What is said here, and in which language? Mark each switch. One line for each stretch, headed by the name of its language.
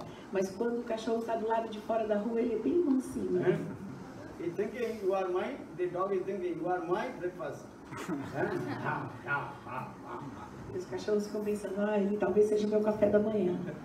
Portuguese: Mas quando o cachorro está do lado de fora da rua, ele é bem mansinho.
English: He's thinking you are mine, the dog is thinking you are my breakfast.
Portuguese: Os cachorros ficam pensando, ah, ele talvez seja o meu café da manhã.